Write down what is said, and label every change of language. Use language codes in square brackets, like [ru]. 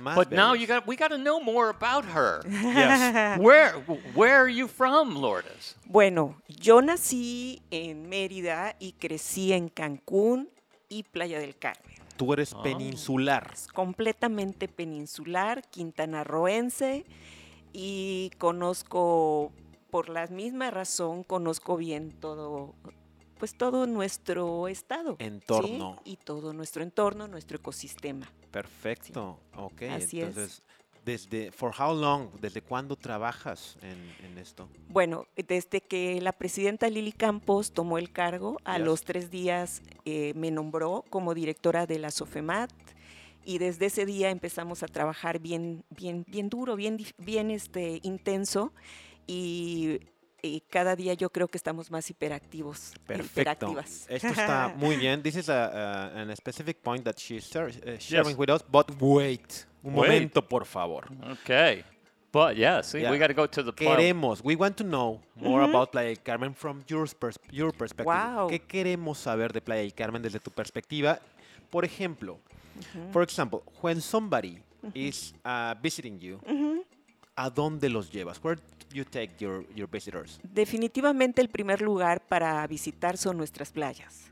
[en] But now we got to know more about her. Yes. Where are you from, Lourdes? [es] Bueno, yo nací en Mérida y crecí en Cancún y Playa del Carmen. Tú eres peninsular. Es completamente peninsular, quintanarroense, y conozco, por la misma razón, conozco bien todo nuestro estado. Entorno. ¿Sí? Y todo nuestro entorno, nuestro ecosistema. Perfecto. Sí. Ok. Así entonces, es. Desde, [en] for how long, [es] ¿desde cuándo trabajas en esto? Bueno, desde que la presidenta Lili Campos tomó el cargo, los tres días me nombró como directora de la SOFAMAT. Y desde ese día empezamos a trabajar bien duro, bien intenso. Y cada día yo creo que estamos más hiperactivos. Perfecto. Hiperactivas. Esto está muy bien. [en] This is a specific point that she's sharing with us. But wait. [es] Un momento, por favor. [en] Okay. But yeah, see, yeah. We got to go to the [es] queremos. [en] We want to know more about Playa del Carmen from your perspective. Wow. [es] ¿Qué queremos saber de Playa del Carmen desde tu perspectiva? Por ejemplo, [en] when somebody is visiting you, [es] ¿a dónde los llevas? [en] You take your visitors. [es] Definitivamente el primer lugar para visitar son nuestras playas.